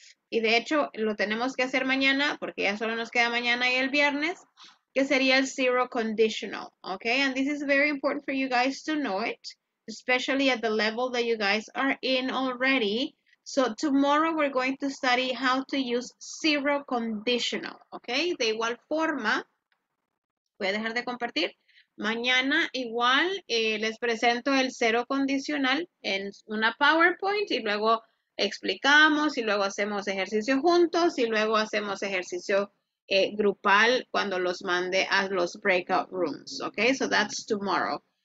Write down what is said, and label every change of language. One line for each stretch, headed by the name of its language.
Spanish: Y de hecho, lo tenemos que hacer mañana porque ya solo nos queda mañana y el viernes, que sería el zero conditional, okay?
English: And this is very important for you guys to know it, especially at the level that you guys are in already. So tomorrow we're going to study how to use zero conditional, okay?
Spanish: De igual forma, voy a dejar de compartir. Mañana igual les presento el cero condicional en una PowerPoint y luego explicamos y luego hacemos ejercicio juntos y luego hacemos ejercicio grupal cuando los mande a los breakout rooms, okay?
English: So that's tomorrow.